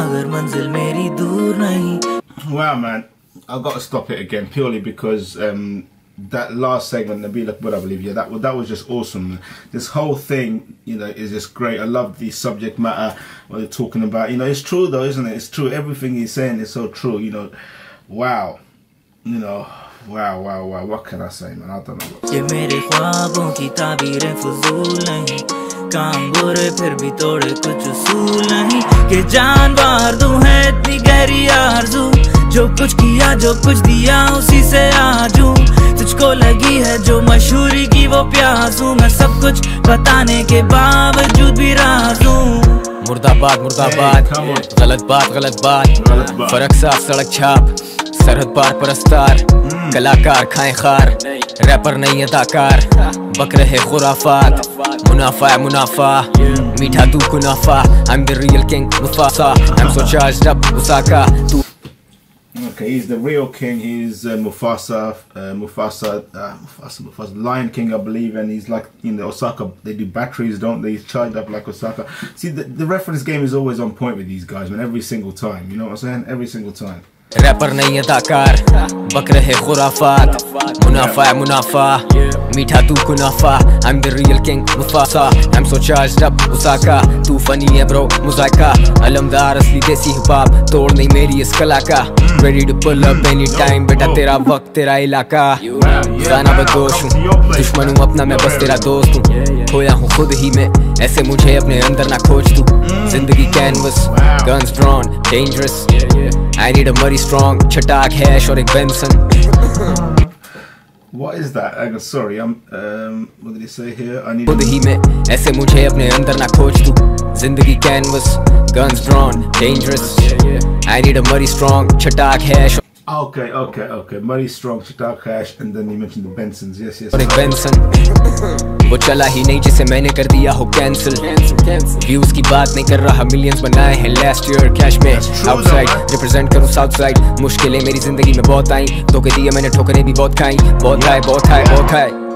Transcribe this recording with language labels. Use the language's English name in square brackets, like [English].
[English] Wow, man, I've got to stop it again purely because that last segment, Nabeel, what I believe, yeah, that was just awesome. This whole thing, you know, is just great. I love the subject matter, what they're talking about. You know, it's true though, isn't it? It's true. Everything he's saying is so true, you know. Wow, you know. Wow, what can I say, man? I don't know. What [Hindi] काम बुरे फिर भी तोड़े कुछ उसूल नहीं के जान बार दूं है इतनी गहरी आरजू जो कुछ किया जो कुछ दिया उसी से आजू तुझको लगी है जो मशहूरी की वो प्यासू मैं सब कुछ बताने के बावजूद भी राजू मुर्दाबाद मुर्दाबाद गलत बात फर्क साफ सड़क छाप सरहद पार परस्तार कलाकार खाए खार रैपर नहीं अदाकार बक रहे खुराफात मुनाफा है मुनाफा मीठा तू कुनाफा [English] I'm the real king Mufasa I'm so charged up Usaka Okay, he's the real king, he's Mufasa, Lion King, I believe, and he's like in the Osaka, they do batteries, don't they? He's charged up like Osaka. See, the reference game is always on point with these guys, man, every single time, you know what I'm saying? Every single time. [Hindi] Wrapper नहीं अदाकार बक रहे खुराफात मुनाफा है मुनाफा मीठा तू कुनाफा [English] I'm the real king [Hindi] Mufasa [English] I'm so charged up [Hindi] Osaka तू funny है ब्रो मुजायका अलमदार असली देसी हिपाप तोड़ नहीं मेरी इस कला का [English] Ready to pull up any time [Hindi] बेटा तेरा वक्त तेरा इलाका खाना बदोश हूँ दुश्मन हूँ अपना मैं बस तेरा दोस्त हूँ खोया हूँ खुद ही मैं ऐसे मुझे अपने अंदर ना खोज तू जिंदगी canvas [English] Guns drawn dangerous I need a very strong chatak hash or a Benson. What is that? Sorry, what did he say here? I need. [Hindi] Khud hi mein, aise mujhe apne andar na khoj tu. [English] Zindagi canvas, guns drawn, dangerous. I need a very strong chatak hash. Okay. Very strong chatak hash, and then you mentioned the Bensons. Yes. Or a Benson. [Hindi] वो चला ही नहीं जिसे मैंने कर दिया हो cancel views की बात नहीं कर रहा मिलियंस बनाए हैं लास्ट ईयर कैश में आउटसाइड रिप्रेजेंट करूं साउथ साइड मुश्किलें मेरी जिंदगी में बहुत आई धोखे दिए मैंने ठोकरें भी बहुत खाई बहुत खाए बहुत खाए बहुत खाए